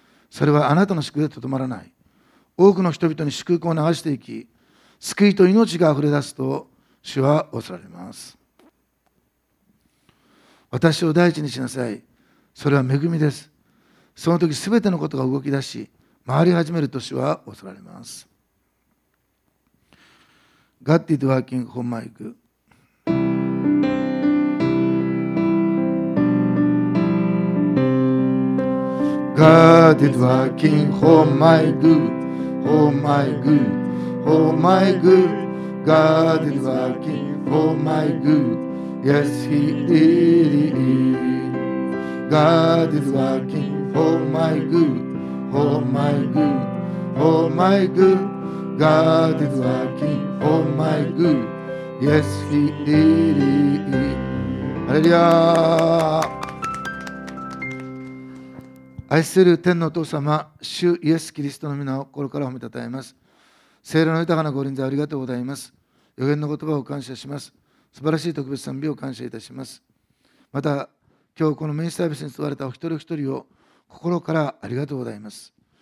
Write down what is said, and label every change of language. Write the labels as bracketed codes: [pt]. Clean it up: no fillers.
[ja] それはあなたの祝福でとどまらない、多くの人々に祝福を流していき、救いと命があふれ出すと主は仰せられます。私を第一にしなさい。それは恵みです。その時すべてのことが動き出し回り始めると主は仰せられます。 [en] God is working for my goodGod is working for my good, for my good, for my good. God is working for my good, yes He is. God is working for my good, for my good, for my good. God is working for my good, yes He is. Hallelujah. [ja] 愛する天のお父様、主イエス・キリストの御名を心から褒めたたえます。聖霊の豊かなご臨在ありがとうございます。予言の言葉を感謝します。素晴らしい特別賛美を感謝いたします。また今日このメインサービスに座れたお一人お一人を心からありがとうございます。